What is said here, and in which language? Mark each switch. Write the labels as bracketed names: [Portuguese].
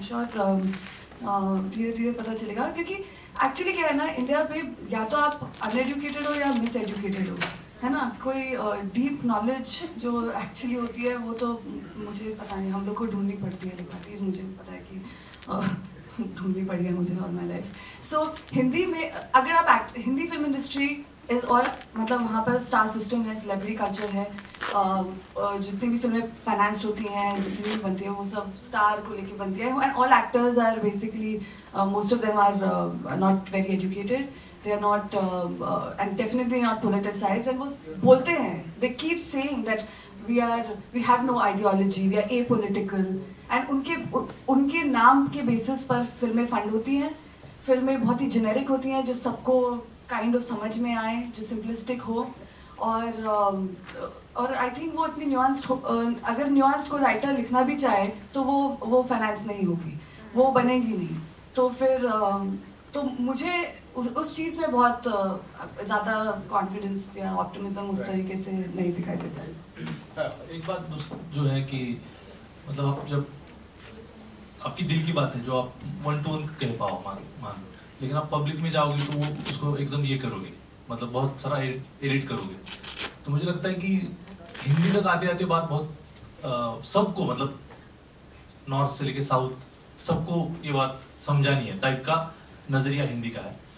[Hindi] I am sure धीरे धीरे पता चलेगा, क्योंकि एक्चुअली क्या है ना, इंडिया पे या तो आप अनएजुकेटेड हो या मिस एजुकेटेड हो, है ना, कोई डीप नॉलेज जो एक्चुअली होती है वो तो मुझे पता नहीं, हम लोग को ढूंढनी पड़ती है, लिखा थी मुझे पता है कि ढूंढनी पड़ी है मुझे ऑल माई लाइफ. सो हिंदी में अगर आप act, Hindi film industry is all, मतलब वहाँ पर स्टार सिस्टम है, सेलिब्रिटी कल्चर है, जितनी भी फिल्में फाइनेंस्ड होती हैं, जितनी भी बनती है, वो सब स्टार को लेके बनती है, [English] and all actors are basically, most of them are not very educated, they are not and definitely not politicized, [Hindi] and was bolte hain, [English] they keep saying that we have no ideology, we are apolitical, [Hindi] and unke naam ke basis par filme fund hoti hain, filme bahut hi generic hoti hain jo sabko kind of samajh mein aaye, jo simplistic ho, aur I think wo itni nuanced agar nuanced ko writer likhna bhi chahe to wo finance nahi hogi, wo banegi nahi, to fir तो मुझे उस चीज़ में बहुत ज़्यादा confidence या optimism उस तरीके से नहीं दिखाई देता है. एक बात जो है कि मतलब आप जब आपकी दिल की बात है जो आप वन टू वन कह पाओ मान, लेकिन आप पब्लिक में जाओगे तो वो उसको एकदम ये करोगे, मतलब बहुत सारा एडिट करोगे. तो मुझे लगता है कि हिंदी तक आते आते बात बहुत सबको, मतलब नॉर्थ से लेके साउथ सबको ये बात समझानी है टाइप का नज़रिया हिंदी का है.